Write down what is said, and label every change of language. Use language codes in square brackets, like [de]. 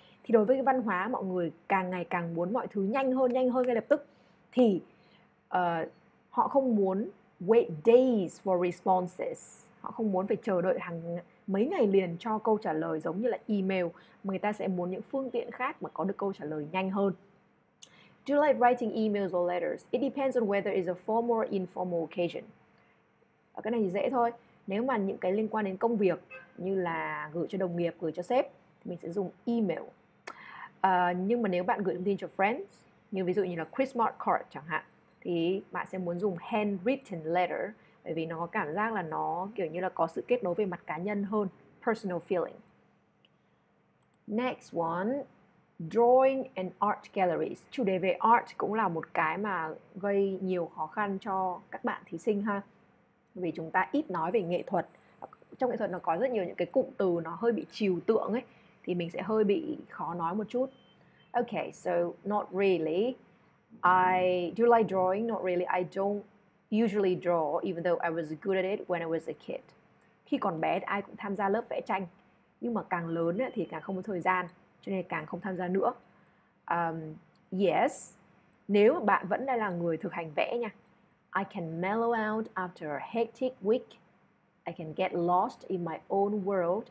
[vi] Thì đối với cái văn hóa mọi người càng ngày càng muốn mọi thứ nhanh hơn ngay lập tức thì họ không muốn [en] wait days for responses. [vi] Họ không muốn phải chờ đợi hàng mấy ngày liền cho câu trả lời giống như là email, mà người ta sẽ muốn những phương tiện khác mà có được câu trả lời nhanh hơn. [en] Do you like writing emails or letters? It depends on whether it's a formal or informal occasion. [vi] Ở cái này thì dễ thôi. Nếu mà những cái liên quan đến công việc như là gửi cho đồng nghiệp, gửi cho sếp thì mình sẽ dùng email. Nhưng mà nếu bạn gửi thông tin cho friends, như ví dụ như là Christmas card chẳng hạn, thì bạn sẽ muốn dùng [en] handwritten letter, [vi] bởi vì nó có cảm giác là nó kiểu như là có sự kết nối về mặt cá nhân hơn, [en] personal feeling. Next one, drawing and art galleries. [vi] Chủ đề về art cũng là một cái mà gây nhiều khó khăn cho các bạn thí sinh ha, vì chúng ta ít nói về nghệ thuật. Trong nghệ thuật nó có rất nhiều những cái cụm từ nó hơi bị trừu tượng ấy, thì mình sẽ hơi bị khó nói một chút. [en] Okay, so not really. I do like drawing, not really. I don't usually draw, even though I was good at it when I was a kid. [vi] Khi còn bé ai cũng tham gia lớp vẽ tranh, nhưng mà càng lớn thì càng không có thời gian, cho nên càng không tham gia nữa. Yes, nếu mà bạn vẫn đang là người thực hành vẽ nha. [en] I can mellow out after a hectic week. I can get lost in my own world.